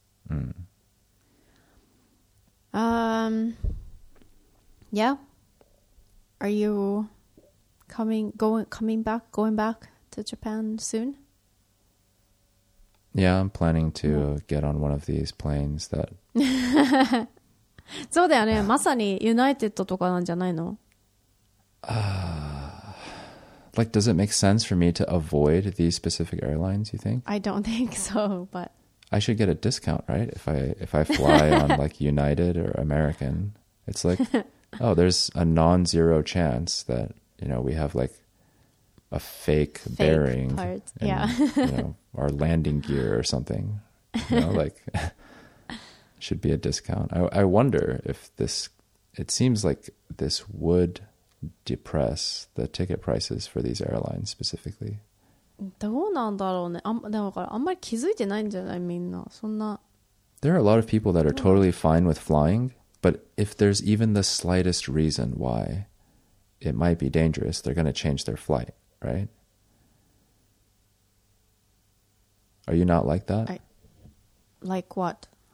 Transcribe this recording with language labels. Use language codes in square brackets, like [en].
[ja] うん。 [en] Yeah. Are you going back to Japan soon? Yeah, I'm planning to get on one of these planes that. [ja] そうだよね。まさにユナイテッドとかなんじゃないの？ [en] Like, does it make sense for me to avoid these specific airlines, you think? I don't think so, but I should get a discount, right? If I fly on like United or American, it's like, oh, there's a non-zero chance that, you know, we have like a fake bearing part. In, yeah. You know, our landing gear or something, you know, like should be a discount. I wonder if this, it seems like this would depress the ticket prices for these airlines specifically. [ja] どうなんだろうね。でもこれあんまり気づいてないんじゃない、みんな。そんな。 [en] There are a lot of people that are totally fine with flying, but if there's even the slightest reason why it might be dangerous, they're going to change their flight, right? Are you not like that? Like what?